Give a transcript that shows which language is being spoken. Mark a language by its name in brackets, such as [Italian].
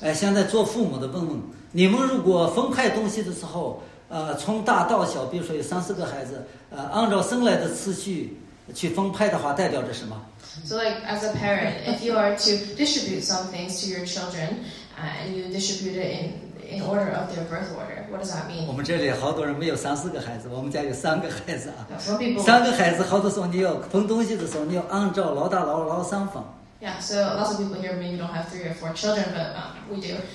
[Chinese] 哎，现在做父母的问问，你们如果分派东西的时候，从大到小，比如说有三四个孩子，按照生来的次序去分派的话，代表着什么？ [English] So like as a parent, if you are to distribute some things to your children, and you distribute it in order of their birth order, what does that mean? [Chinese] 我们这里好多人没有三四个孩子，我们家有三个孩子啊。 [English] Some people. [Chinese] 三个孩子，好多时候你要分东西的时候，你要按照老大、老二、老三分。 [English] Yeah, so lots of people here maybe don't have three or four children, but we do.